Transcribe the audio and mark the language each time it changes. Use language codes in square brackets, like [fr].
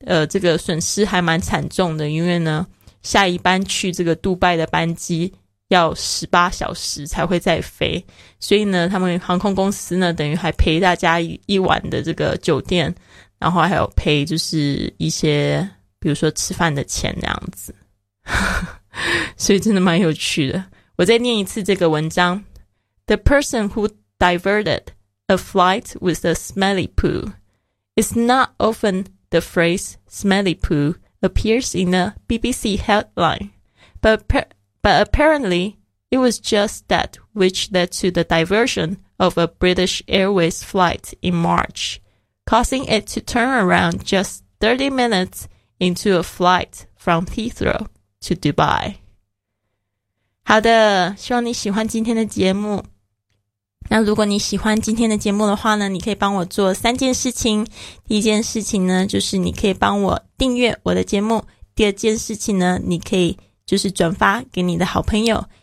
[zh] 这个损失还蛮惨重的，因为呢下一班去这个杜拜的班机要18小时才会再飞，所以呢他们航空公司呢等于还赔大家 一晚的这个酒店，然后还有赔就是一些比如说吃饭的钱这样子所以真的蛮有趣的。我再念一次这个文章。 [en] The person who diverted a flight with a smelly poo. It's not often the phrase smelly poo appears in a BBC headline, but apparently it was just that which led to the diversion of a British Airways flight in March, causing it to turn around just 30 minutes into a flight from Heathrow to Dubai. [zh] 好的，希望你喜欢今天的节目。那如果你喜欢今天的节目的话呢，你可以帮我做三件事情。第一件事情呢，就是你可以帮我订阅我的节目。第二件事情呢，你可以就是转发给你的好朋友。